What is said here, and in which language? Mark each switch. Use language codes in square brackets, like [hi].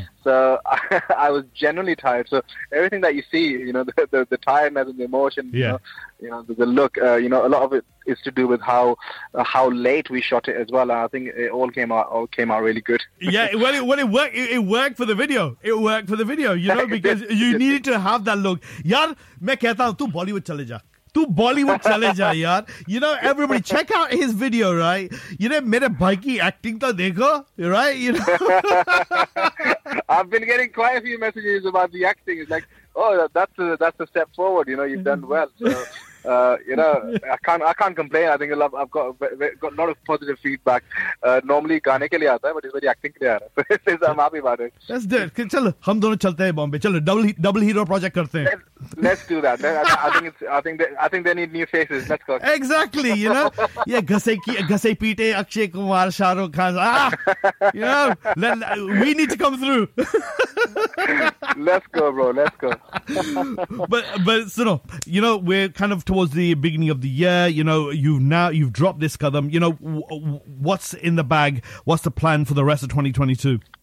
[en] So I was genuinely tired. So everything that you see, you know, the tiredness and the emotion, yeah. The look, you know, a lot of it is to do with how late we shot it as well. And I think it all came out really good. Yeah, it worked for the video. It worked for the video, you know, because you needed to have that look. [hi] Yaar, main kehta hoon, tu Bollywood chale ja. तू बॉलीवुड चले जा यार [en] you know everybody check out his video right you know [hi] मेरे भाई की acting तो देखो [en] Right you know I have been getting quite a few messages about the acting it's like oh that's a step forward you know you have done well so you know, I can't complain. I think I've got a lot of positive feedback. Normally, [hi] गाने के लिए आता है, [en] but it's very acting [hi] के लिए आ रहा है. [en] So I'm happy about it. Let's do it. [hi] चलो हम दोनों चलते हैं बॉम्बे. चलो [en] double hero project [hi] करते हैं. [en] Let's do that. I think they need new faces. Let's go. Exactly. You know, yeah, [hi] घसे पीटे [en] Akshay Kumar Shahrukh Khan. You know, we need to come through. Let's go, bro. Let's go. but so no, you know, we're kind of towards the beginning of the year. You know, you've dropped this Kadam. You know, what's in the bag? What's the plan for the rest of 2022?